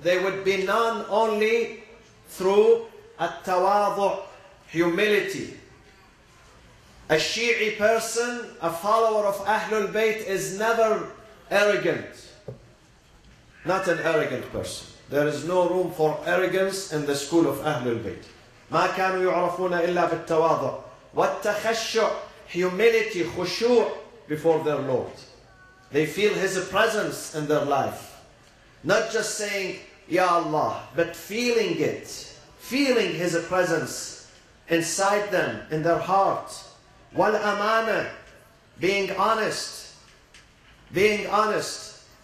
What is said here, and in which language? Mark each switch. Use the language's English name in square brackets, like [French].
[English] They would be known only through التَّوَاضُع, humility. A Shi'i person, a follower of Ahlul Bayt, is never arrogant. Not an arrogant person. There is no room for arrogance in the school of Ahlul Bayt. [Arabic] مَا كَانُوا يُعْرَفُونَ إِلَّا بِالتَّوَاضُعُ وَالتَّخَشُّعُ, [English] humility, khushu' before their Lord. They feel His presence in their life. Not just saying, Ya Allah, but feeling it. Feeling His presence inside them, in their heart. وَالْأَمَانَ, being honest. Being honest.